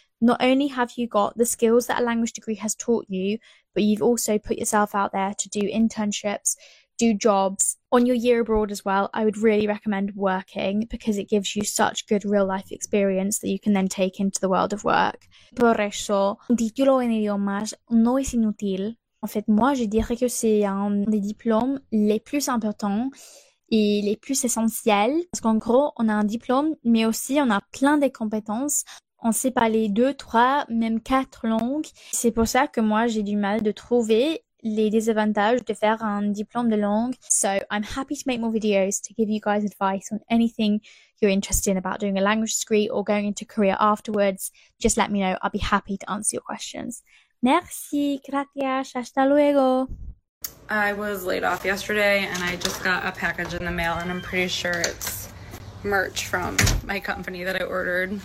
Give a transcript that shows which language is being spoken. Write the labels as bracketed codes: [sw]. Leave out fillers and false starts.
[en] Not only have you got the skills that a language degree has taught you, but you've also put yourself out there to do internships, do jobs. On your year abroad as well, I would really recommend working because it gives you such good real life experience that you can then take into the world of work. [es] Por eso, un título en idiomas no es inútil. [fr] En fait, moi, je dirais que c'est un des diplômes les plus importants et les plus essentiels. Parce qu'en gros, on a un diplôme, mais aussi on a plein de compétences. On sait parler deux, trois, même quatre langues. C'est pour ça que moi, j'ai du mal de trouver les désavantages de faire un diplôme de langue. [en] So, I'm happy to make more videos to give you guys advice on anything you're interested in about doing a language degree or going into career afterwards. Just let me know. I'll be happy to answer your questions. [es] Merci, gracias, hasta luego. [en] I was laid off yesterday and I just got a package in the mail and I'm pretty sure it's merch from my company that I ordered.